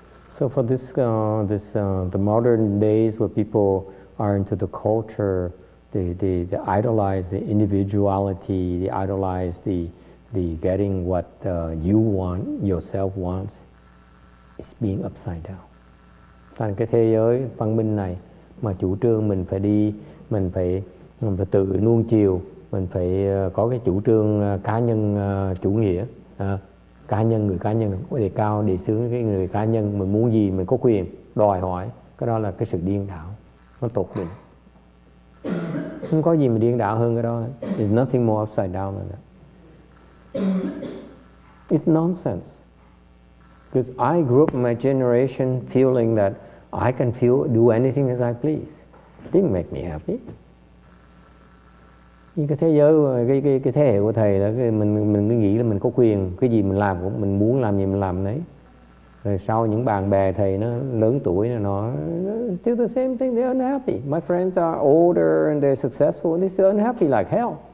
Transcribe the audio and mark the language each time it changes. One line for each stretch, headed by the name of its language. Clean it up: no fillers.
English: So for the modern days where people are into the culture, They idolize the individuality, they idolize the getting what you want, yourself wants, it's being upside down.
Vietnamese: Thành cái thế giới văn minh này mà chủ trương mình phải đi, mình phải tự nuông chiều, mình phải có cái chủ trương cá nhân chủ nghĩa, cá nhân, người cá nhân có đề cao đề xướng cái người cá nhân, mình muốn gì mình có quyền đòi hỏi, cái đó là cái sự điên đảo, nó tột đỉnh. Không có gì mà điên đảo hơn cái đó.
English: It's nothing more upside down than that. It's nonsense. Because I grew up in my generation feeling that I can feel, do anything as I please. It didn't make me happy.
Vietnamese: Nhưng cái thế giới, cái thế hệ của thầy đó, mình cứ nghĩ là mình có quyền, cái gì mình làm cũng, mình muốn làm gì mình làm đấy. Rồi sau những bạn bè thầy nó lớn tuổi, nó
English: still the same thing, they're unhappy. My friends are older and they're successful and they're still unhappy like hell.